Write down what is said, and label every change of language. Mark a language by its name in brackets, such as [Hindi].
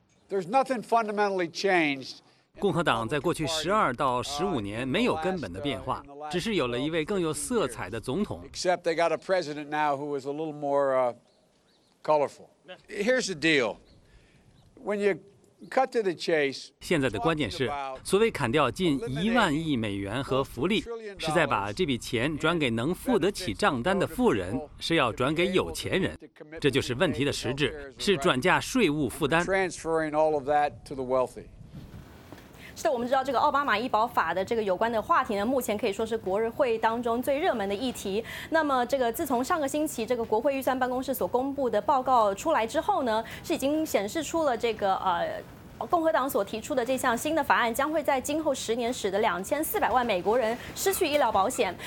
[English] There's nothing fundamentally changed. [Chinese] 共和党在过去12到15年没有根本的变化，只是有了一位更有色彩的总统。 [English] Except they got a president now who is a little more colorful. Here's the deal. When you cut to the chase, [Chinese] 现在的关键是，所谓砍掉近10,000亿美元和福利，是在把这笔钱转给能付得起账单的富人，是要转给有钱人。这就是问题的实质，是转嫁税务负担。 [English] Transferring all of that to the wealthy. [Chinese] 是的，我们知道这个奥巴马医保法的这个有关的话题呢，目前可以说是国会当中最热门的议题。那么这个自从上个星期这个国会预算办公室所公布的报告出来之后呢，是已经显示出了这个共和党所提出的这项新的法案将会在今后10年使得2400万美国人失去医疗保险。